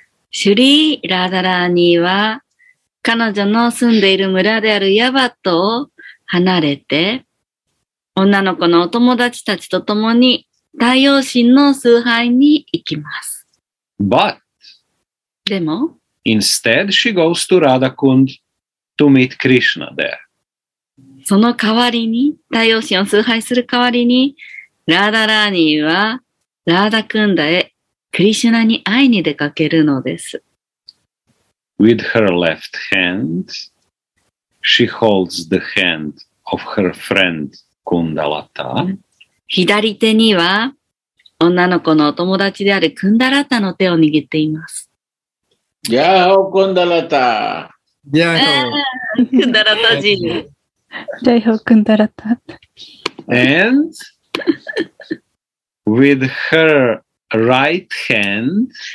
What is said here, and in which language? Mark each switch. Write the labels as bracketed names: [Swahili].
[Japanese] Shri Radharani は彼女の住んでいる村であるヤバットを離れて、女の子のお友達たちと共に太陽神の崇拝に行きます。 [English] But, [Japanese] でも、 [English] instead she goes to Radhakund to meet Krishna there. [Japanese] その代わりに、太陽神を崇拝する代わりに、ラーダラーニーはラーダクンダへクリシュナに会いに出かけるのです。 [English] With her left hand, she holds the hand of her friend Kundalata. [Japanese] 左手には女の子のお友達であるクンダラタの手を握っています。やーほー、クンダラタ。やーほー。 クンダラタ人。やーほー、クンダラタ。 [English] And with her right hand,